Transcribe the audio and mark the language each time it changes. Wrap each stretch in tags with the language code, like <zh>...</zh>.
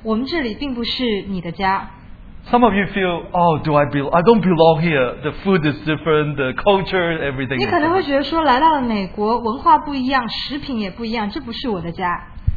<zh>可能在座的有些人觉得我们这里并不是你的家。</zh> <en>Some of you feel, oh, I don't belong here. The food is different, the culture, everything.</en> <zh>你可能会觉得说来到了美国文化不一样，食品也不一样，这不是我的家。</zh>